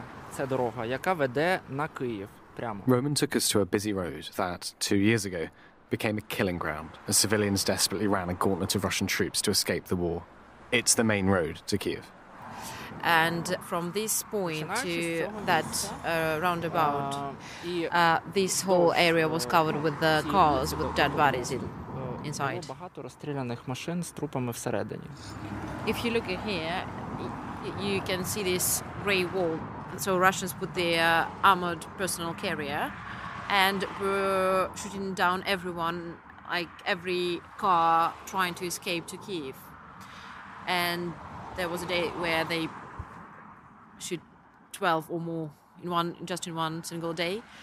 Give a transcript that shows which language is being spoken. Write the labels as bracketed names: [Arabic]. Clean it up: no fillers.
[Ukrainian] Це дорога, яка веде на Київ прямо. [English] Roman took us to a busy road that 2 years ago became a killing ground as civilians desperately ran a gauntlet of Russian troops to escape the war. It's the main road to Kyiv. And from this point to that roundabout, this whole area was covered with the cars with dead bodies inside. [Ukrainian] Багато розстріляних машин з трупами всередині. [English] If you look here, you can see this gray wall. So Russians put their armored personal carrier and were shooting down everyone, like every car trying to escape to Kyiv. And there was a day where they shoot 12 or more in one single day.